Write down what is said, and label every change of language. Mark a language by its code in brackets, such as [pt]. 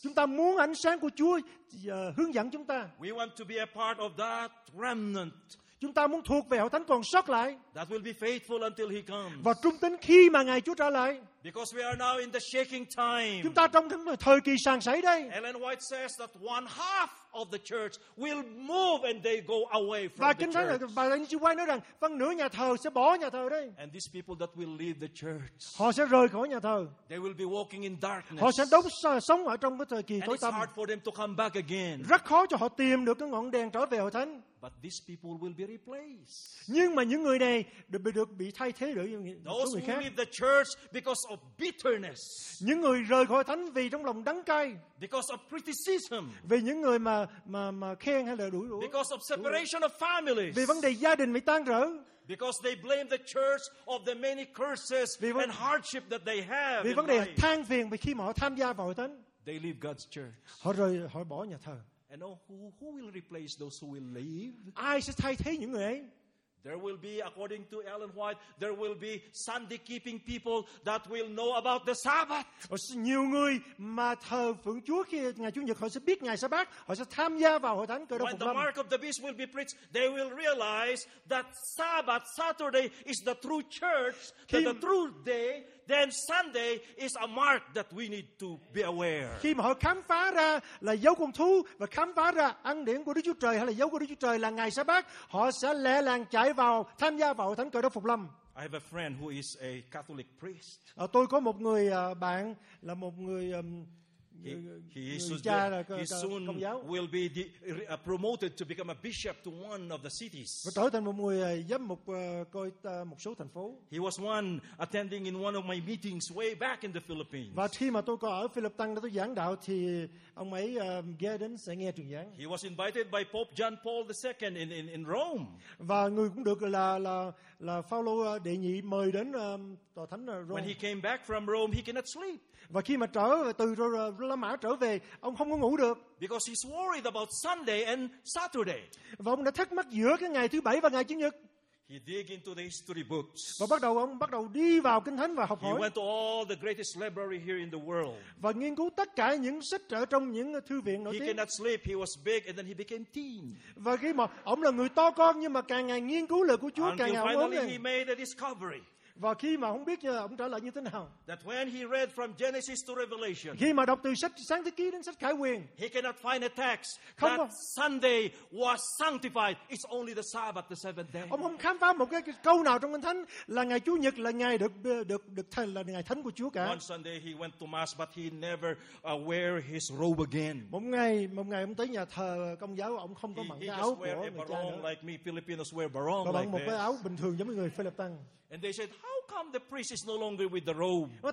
[vi] Chúng ta muốn ánh sáng của Chúa hướng dẫn chúng ta. [en] We want to be a part of that remnant. [vi] Chúng ta muốn thuộc về hội thánh còn sót lại. [en] That will be faithful until he comes. [vi] Và trung tín khi mà Ngài Chúa trở lại. [en] Because we are now in the shaking time. [vi] Chúng ta trong cái thời kỳ sàn sảy đây. [en] Ellen White says that one half of the church will move and they go away from the church. [vi] Và kinh thánh Ellen White nói rằng phần nửa nhà thờ sẽ bỏ nhà thờ đây. [en] And these people that will leave the church. [vi] Họ sẽ rời khỏi nhà thờ. [en] They will be walking in darkness. [vi] Họ sẽ đóng sống ở trong cái thời kỳ tối tăm. [en] It's hard for them to come back again. [vi] Rất khó cho họ tìm được cái ngọn đèn trở về hội thánh. [en] But these people will be replaced. [vi] Nhưng mà những người này được bị thay thế bởi những người khác. [en] Those who leave the church because of bitterness. [vi] Những người rời khỏi thánh vì trong lòng đắng cay. [en] Because of criticism. [vi] Vì những người mà khen hay là đuổi đuổi. [en] Because of separation of families. [vi] Vì vấn đề gia đình bị tan rỡ. [en] Because they blame the church of the many curses and hardship that they have. [vi] Vì vấn đề than phiền vì khi mà họ tham gia vào hội thánh. [en] They leave God's church. [vi] Họ bỏ nhà thờ. [en] And who will replace those who will leave? [vi] Ai sẽ thay thế những người ấy? [en] There will be, according to Ellen White, there will be Sunday keeping people that will know about the Sabbath. [vi] Nhiều người mà thờ phượng Chúa khi ngày Chủ nhật họ sẽ biết ngày Sa-bát, họ sẽ tham gia vào hội thánh cơ đốc phục lâm. [en] When the mark of the beast will be preached, they will realize that Sabbath, Saturday, is the true church, the true day. Then Sunday is a mark that we need to be aware. [vi] Khi mà họ khám phá ra là dấu con thú và khám phá ra ân điển của Đức Chúa Trời hay là dấu của Đức Chúa Trời là ngày Sa-bát, họ sẽ lẹ làng chạy vào tham gia vào thánh cơ đốc phục lâm. [en] I have a friend who is a Catholic priest. [vi] Tôi có một người bạn là một người [en] he soon will be promoted to become a bishop to one of the cities. [vi] Trở thành một người giám mục coi một số thành phố. [en] He was one attending in one of my meetings way back in the Philippines. [vi] Và khi mà tôi có ở Philippines tôi giảng đạo thì ông ấy ghé đến sẽ nghe truyền giảng. [en] He was invited by Pope John Paul II in Rome. [vi] Và người cũng được là Phaolô đệ nhị mời đến tòa thánh Rome. [en] When he came back from Rome, he cannot sleep. [vi] Và khi mà trở từ La Mã trở về, ông không có ngủ được. [en] Because he's worried about Sunday and Saturday. [vi] Và ông đã thắc mắc giữa cái ngày thứ bảy và ngày chủ nhật. [en] He dig into the history books. [vi] Và bắt đầu đi vào kinh thánh và học hỏi. [en] He went to all the greatest library here in the world. [vi] Và nghiên cứu tất cả những sách ở trong những thư viện nổi tiếng. [en] He cannot sleep. He was big, and then he became teen. [vi] Và khi mà ông là người to con nhưng mà càng ngày nghiên cứu lời của Chúa [en] until [vi] càng ngày lớn lên. [en] Until finally he made a discovery. [vi] Và khi mà không biết ông trả lời như thế nào. [en] That when he read from Genesis to Revelation. [vi] Khi mà đọc từ sách Sáng Thế Ký đến sách Khải Huyền. [en] He cannot find a text that [vi] có. [en] Sunday was sanctified. It's only the Sabbath, the seventh day. [vi] Ông không khám phá một cái câu nào trong Kinh Thánh là ngày Chủ nhật là ngày được thành là ngày thánh của Chúa cả. [en] One Sunday he went to mass but he never wear his robe again. [vi] Một ngày ông tới nhà thờ Công giáo ông không có mặc cái áo của người cha nữa. [en] Like me, Filipinos wear barong [vi] like một cái áo bình thường giống như người Philippines. [en] And they said, how come the priest is no longer with the robe?